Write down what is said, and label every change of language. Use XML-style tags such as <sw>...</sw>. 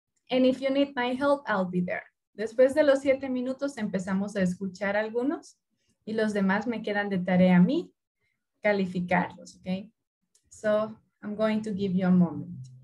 <en>And if you need my help, I'll be there.</en> <es>Después de los 7 minutos, empezamos a escuchar algunos y los demás me quedan de tarea a mí calificarlos, okay?</es> <en>So I'm going to give you a moment.</en>